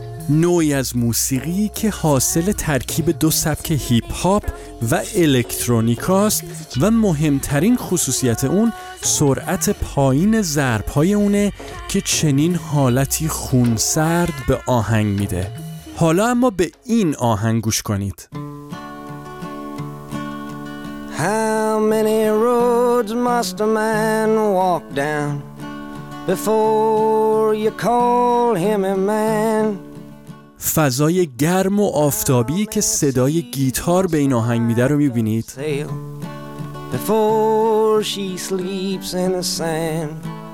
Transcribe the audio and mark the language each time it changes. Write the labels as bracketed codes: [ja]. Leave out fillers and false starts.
[fa] نوعی از موسیقی که حاصل ترکیب دو سبک هیپ هاپ و الکترونیکا است و مهمترین خصوصیت اون سرعت پایین ضرب‌های اونه که چنین حالتی خونسرد به آهنگ میده. حالا اما به این آهنگ گوش کنید. [en] How many roads must a man walk down before you call him a man? [fa] فضای گرم و آفتابی که صدای گیتار به این آهنگ میده رو میبینید. [en] Before she sleeps in the sand.